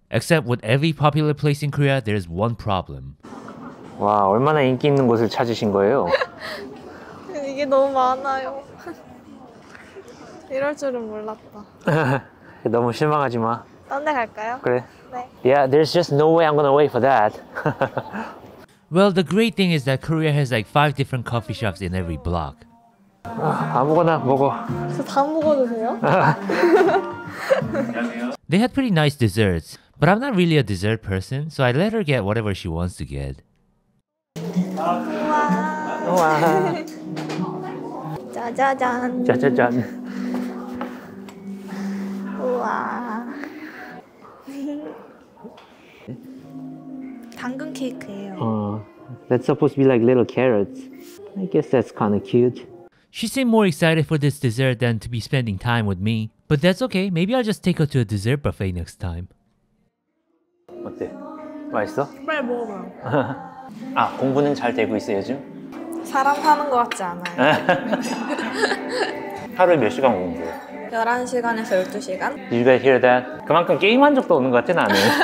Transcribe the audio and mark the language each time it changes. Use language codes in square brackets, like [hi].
[en] Except with every popular place in Korea, there is one problem. [ko] 와, 얼마나 인기 있는 곳을 찾으신 거예요? 이게 너무 많아요. 이럴 줄은 몰랐다. 너무 실망하지 마. 딴 데 갈까요? 그래. 네. [en] Yeah, there's just no way I'm gonna wait for that. Well, the great thing is that Korea has like 5 different coffee shops in every block. [ko] 아무거나 먹어. 저 다 먹어도 돼요? 안녕하세요. [en] They had pretty nice desserts, but I'm not really a dessert person, so I let her get whatever she wants to get. [ko] 우와. 우와. 짜자잔. 짜자잔. 우와. 당근 케이크예요. [en] That's supposed to be like little carrots. I guess that's kind of cute. She seemed more excited for this dessert than to be spending time with me. But that's okay, maybe I'll just take her to a dessert buffet next time. [ko] 어때? 맛있어? 빨리 먹어봐. 아, 공부는 잘 되고 있어 요즘? 사람 파는 것 같지 않아요. 하루에 몇 시간 공부해? 11시간에서 12시간? [en] Did you guys hear that? [ko] 그만큼 게임한 적도 없는 것 같아, 나는.